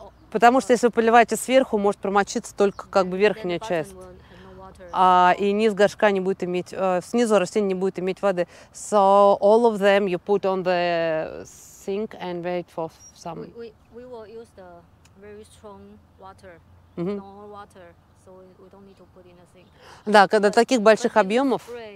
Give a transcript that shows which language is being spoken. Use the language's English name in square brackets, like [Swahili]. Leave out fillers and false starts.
[Russian] Потому что если вы поливаете сверху, может промочиться только как бы верхняя часть. И низ горшка не будет иметь, снизу растение не будет иметь воды. [English] So all of them you put on the sink and wait for some. We will use the very strong water, mm-hmm. normal water, so we don't need to put in a sink. [Russian] Да, когда таких больших объемов.